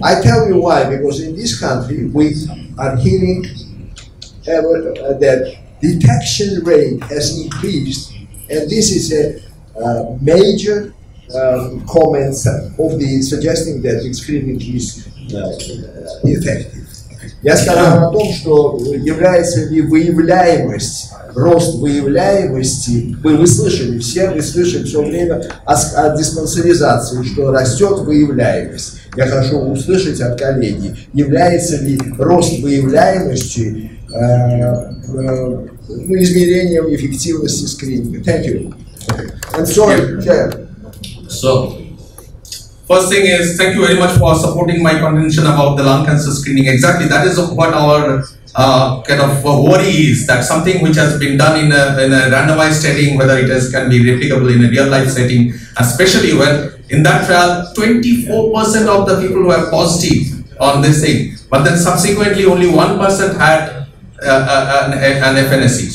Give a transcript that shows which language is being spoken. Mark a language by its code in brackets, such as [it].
[en] I tell you why, because in this country we are hearing that detection rate has increased, and this is a major comments of the suggesting that the screening is effective. [ru] Я сказал о том, что является ли выявляемость, рост выявляемости, мы слышали все время о диспансеризации, что растет выявляемость. Я хочу услышать от коллеги, является ли рост выявляемости измерением эффективности скрининга. [en] Thank you. And sorry, Chair. So, first thing is, thank you very much for supporting my contention about the lung cancer screening. Exactly, that is what our kind of worry is, that something which has been done in a randomized setting, whether it is can be replicable in a real life setting, especially when in that trial 24% of the people were positive on this thing, but then subsequently only 1% had an FNSE.